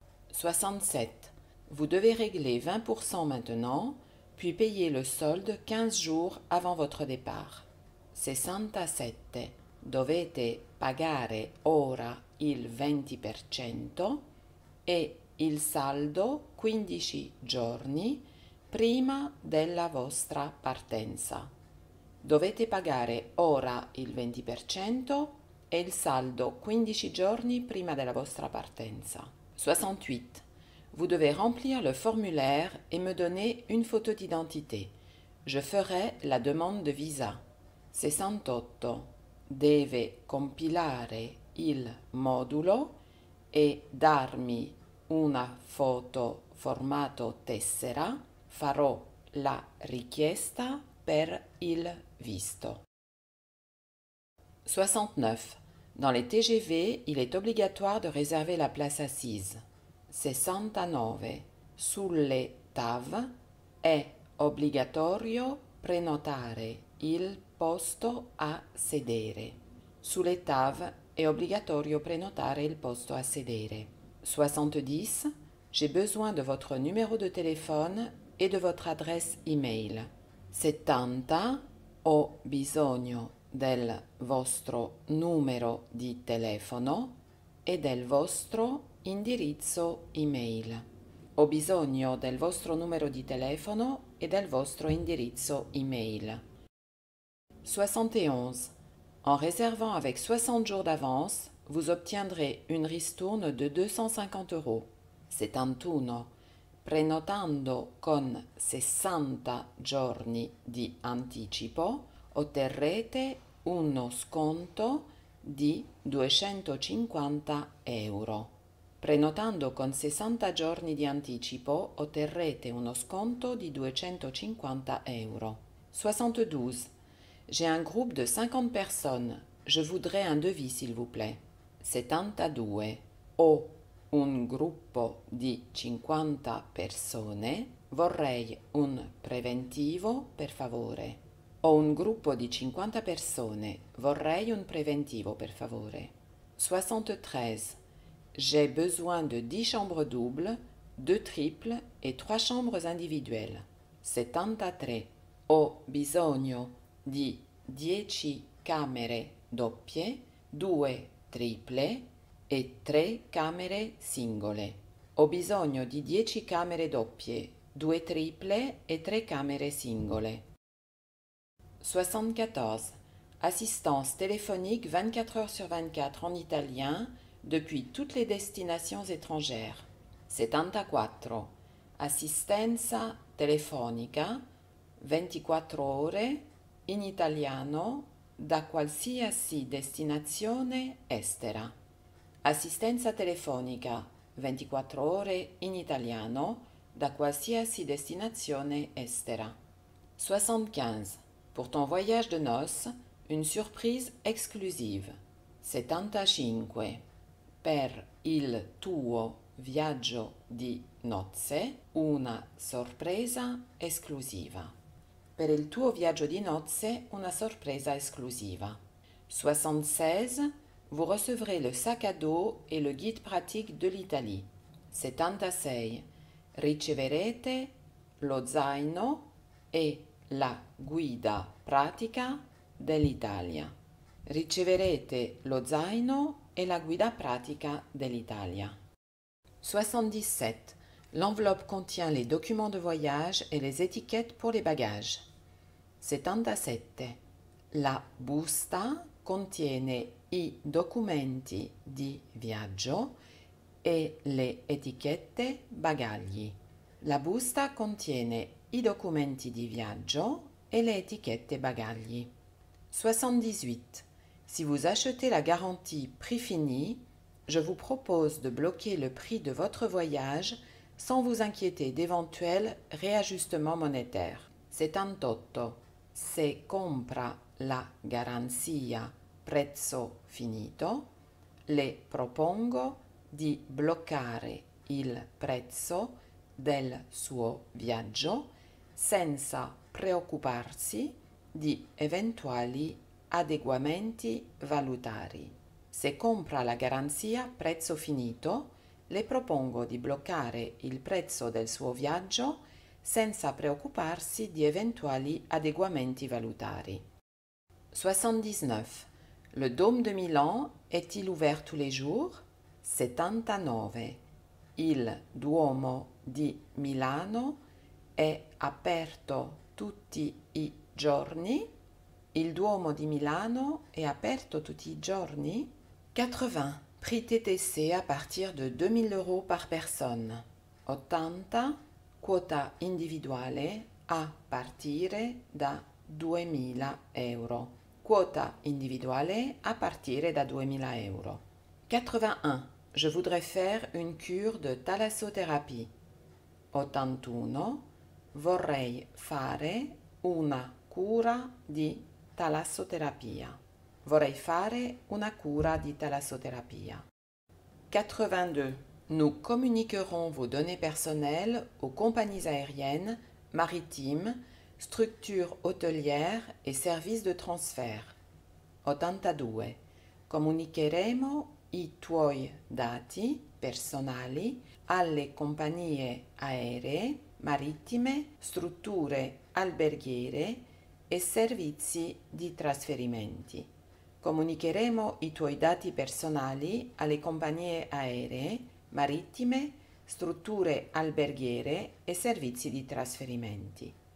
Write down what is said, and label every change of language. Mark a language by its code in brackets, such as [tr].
[fr] 67. Vous devez régler 20% maintenant, puis payer le solde 15 jours avant votre départ. [it] 67. Dovete pagare ora il 20% e il saldo 15 giorni prima della vostra partenza. Dovete pagare ora il 20% e il saldo 15 giorni prima della vostra partenza. [fr] 68. Vous devez remplir le formulaire et me donner une photo d'identité. Je ferai la demande de visa. [it] 68. Deve compilare il modulo e darmi una foto formato tessera. Farò la richiesta per il visto. [fr] 69. Dans les TGV, il est obligatoire de réserver la place assise. [it] 69. Sulle TAV è obbligatorio prenotare il posto a sedere. Sulle TAV è obbligatorio prenotare il posto a sedere. [fr] 70. J'ai besoin de votre numéro de téléphone et de votre adresse email. [it] 70. Ho bisogno del vostro numero di telefono e del vostro indirizzo email. Ho bisogno del vostro numero di telefono e del vostro indirizzo email. [fr] 71. En réservant avec 60 jours d'avance, vous obtiendrez une ristourne de 250 euros. [it] 71. Prenotando con 60 giorni di anticipo, otterrete uno sconto di 250 euro. Prenotando con 60 giorni di anticipo, otterrete uno sconto di 250 euro. [fr] 72. J'ai un groupe de 50 personnes. Je voudrais un devis, s'il vous plaît. [it] 72. Ho un gruppo di 50 persone. Vorrei un preventivo, per favore. Ho un gruppo di 50 persone. Vorrei un preventivo, per favore. [fr] 73. J'ai besoin de 10 chambres doubles, 2 triples et 3 chambres individuelles. [it] 73. Ho bisogno di dieci camere doppie, due triple e tre camere singole. Ho bisogno di 10 camere doppie, 2 triple e 3 camere singole. [fr] 74. Assistance téléphonique 24 heures sur 24 en italien depuis toutes les destinations étrangères. [it] 74. Assistenza telefonica 24 ore in italiano da qualsiasi destinazione estera. Assistenza telefonica 24 ore in italiano da qualsiasi destinazione estera. [fr] 75. Pour ton voyage de noces, une surprise exclusive. [it] 75. Per il tuo viaggio di nozze, una sorpresa esclusiva. Per il tuo viaggio di nozze, una sorpresa esclusiva. [fr] 76. Vous recevrez le sac à dos et le guide pratique de l'Italie. [it] 76. Riceverete lo zaino e la guida pratica dell'Italia. Riceverete lo zaino e la guida pratica dell'Italia. [fr] 77. L'enveloppe contient les documents de voyage et les étiquettes pour les bagages. [it] 77. La busta contiene i documenti di viaggio e le etichette bagagli. La busta contiene i documenti di viaggio e le etichette bagagli. [fr] 78. Si vous achetez la garantie prix fini, je vous propose de bloquer le prix de votre voyage sans vous inquiéter d'éventuels réajustements monétaires. [it] 78. Se compra la garanzia prezzo finito, le propongo di bloccare il prezzo del suo viaggio senza preoccuparsi di eventuali adeguamenti valutari. Se compra la garanzia prezzo finito, le propongo di bloccare il prezzo del suo viaggio senza preoccuparsi di eventuali adeguamenti valutari. [fr] 79. Le Dôme de Milan est-il ouvert tous les jours? [it] 79. Il Duomo di Milano è aperto tutti i giorni? Il Duomo di Milano è aperto tutti i giorni? [fr] 80. Prix TTC à partir de 2000 euros par personne. [it] 80. Quota individuale a partire da 2000 euro. Quota individuale a partire da 2000 euro. [fr] 81. Je voudrais faire une cure de talassothérapie. [it] 81. Vorrei fare una cura di talassoterapia. Vorrei fare una cura di talassoterapia. [fr] 82. Nous communiquerons vos données personnelles aux compagnies aériennes, maritimes, structures hôtelières et services de transfert. [it] 82. Comunicheremo i tuoi dati personali alle compagnie aeree, marittime, strutture alberghiere e servizi di trasferimenti. Comunicheremo i tuoi dati personali alle compagnie aeree, marittime, strutture alberghiere e servizi di trasferimenti.